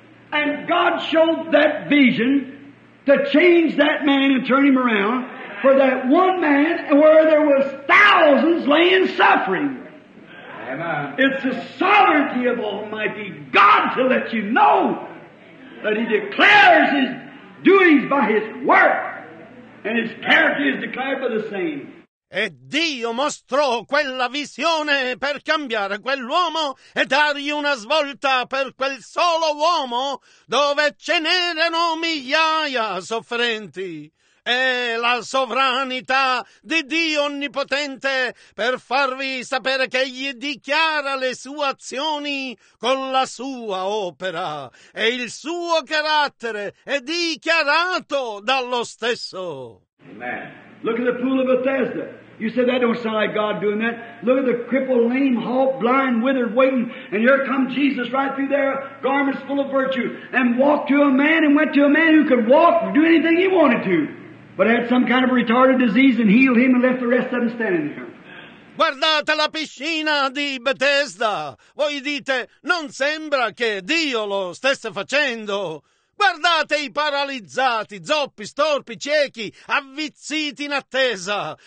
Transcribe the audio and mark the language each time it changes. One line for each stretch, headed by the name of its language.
English: And God showed that vision to change that man and turn him around for that one man where there was thousands laying suffering. It's the sovereignty of Almighty God to let you know that He declares His doings by His work, and His character is declared by the same.
Italian: E Dio mostrò quella visione per cambiare quell'uomo e dargli una svolta per quel solo uomo dove ce n'erano migliaia sofferenti. è la sovranità di Dio Onnipotente per farvi sapere che egli dichiara le sue azioni con la sua opera e il suo carattere è dichiarato dallo stesso. Amen.
English: Look at the pool of Bethesda. You said that don't sound like God doing that. Look at the crippled, lame, halt, blind, withered, waiting. And here come Jesus right through there, garments full of virtue, and walked to a man and went to a man who could walk and do anything he wanted to, but had some kind of retarded disease and healed him and left the rest of them standing there.
Italian: Guardate la piscina di Bethesda. Voi dite, non sembra che Dio lo stesse facendo. Guardate i paralizzati, zoppi, storpi, ciechi, avvizziti in attesa.